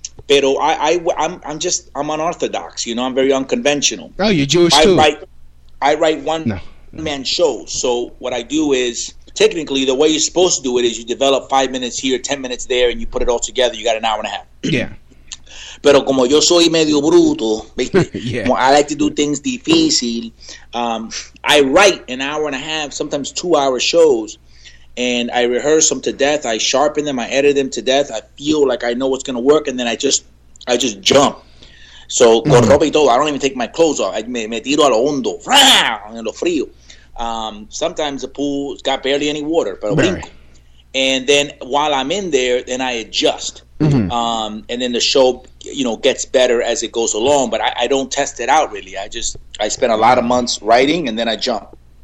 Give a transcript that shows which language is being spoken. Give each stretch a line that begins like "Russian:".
English: But I'm unorthodox, you know. I'm very unconventional. Oh, you're Jewish too. I write one man shows. So what I do is, technically, the way you're supposed to do it is you develop 5 minutes here, 10 minutes there, and you put it all together. You got an hour and a half. Yeah.
Spanish: Pero como yo soy medio bruto,
English: yeah. I like to do things
Spanish: difícil.
English: I write an hour and a half, sometimes 2 hour shows, and I rehearse them to death. I sharpen them. I edit them to death. I feel like I know what's going to work, and then I just jump. So
Spanish: con ropa y todo,
English: I don't even take my clothes off.
Spanish: Me tiro a lo hondo, en lo frío.
English: Sometimes the pool's got barely any water, but right. And then while I'm in there, then I adjust. Mm-hmm. And then the show, you know, gets better as it goes along. But I don't test it out really. I spend a lot of months writing and then I jump.